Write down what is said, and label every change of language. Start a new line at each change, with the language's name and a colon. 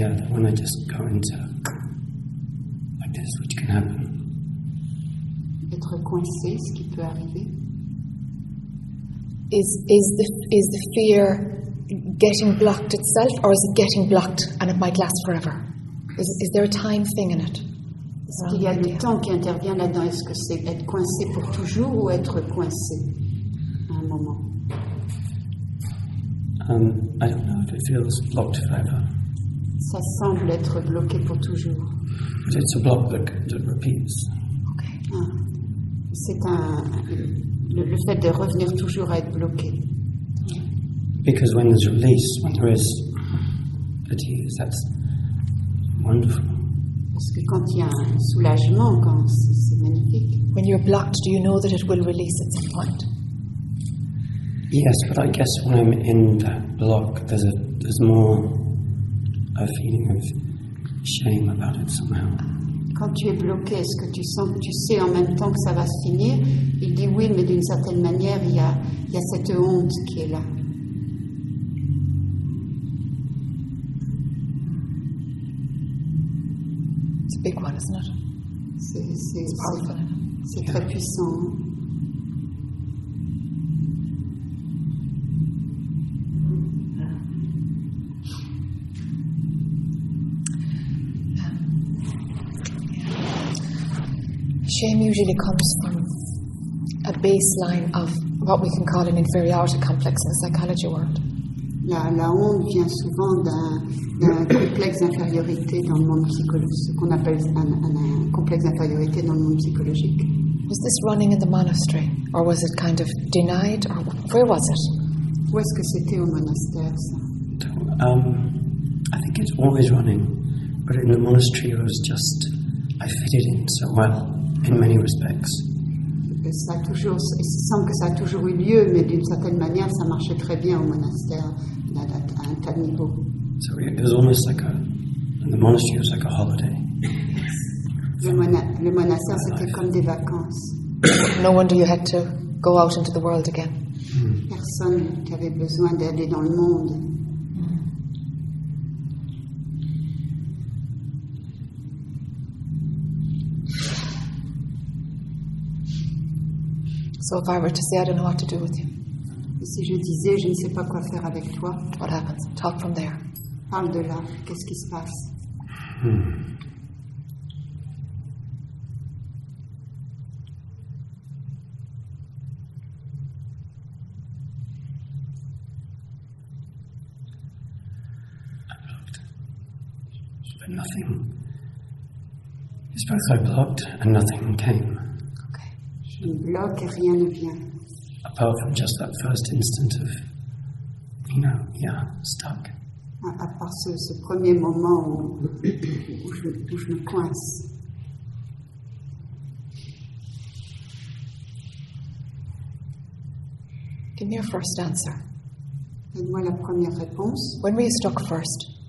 English: When I just go into like this, which can happen.
French: Être coincé, ce qui peut arriver.
English: Is the fear getting blocked itself, or is it getting blocked and it might last forever? Is there a time thing in it?
French: Est-ce qu'il y a le temps qui intervient là-dedans? Est-ce que c'est être coincé pour toujours ou être coincé à un moment?
English: I don't know if it feels blocked forever.
French: Ça semble être bloqué pour toujours.
English: But it's a block that repeats. Okay.
French: C'est le fait de revenir toujours à être bloqué.
English: Because when there's release, when there is a tease, that's wonderful.
French: Parce que quand il y a un soulagement, quand c'est magnifique.
English: When you're blocked, do you know that it will release at some point? Yes, but I guess when I'm in that block, there's more. A feeling of shame about it somehow.
French: Quand tu es bloqué, est-ce que tu sens que tu sais en même temps que ça va se finir? Il dit oui, mais d'une certaine manière, il y a cette honte qui est là.
English: It's a big one, isn't it?
French: C'est très puissant.
English: Shame usually comes from a baseline of what we can call an inferiority complex in the psychology world.
French: La honte vient souvent d'un complexe d'infériorité dans le monde psychologique, ce qu'on appelle un complexe d'infériorité dans le monde psychologique.
English: Was this running in the monastery, or was it kind of denied, or where was it?
French: Où est-ce que c'était au monastère, ça?
English: I think it's always running, but in the monastery it was just, I fitted in so well in many respects.
French: Ça toujours, il se semble que ça a toujours eu lieu, mais d'une certaine manière, ça marchait très bien au monastère, à un tel niveau.
English: So it was almost like a, the monastery was like a holiday.
French: Le monastère, c'était comme des vacances.
English: No wonder you had to go out into the world again.
French: Personne qui avait besoin d'aller dans le monde.
English: So if I were to say, I don't know what to do with you.
French: Et si je disais, je ne sais pas quoi faire avec toi.
English: What happens? Talk from there.
French: Parle de là. Qu'est-ce qui se passe?
English: He spoke, I blocked, and nothing came.
French: Okay. Je bloque, rien ne vient.
English: Apart from just that first instant of, you know, yeah, stuck.
French: À part ce premier moment où je me coince.
English: Give me your first answer.
French: Donne-moi la première réponse.
English: When were you stuck first?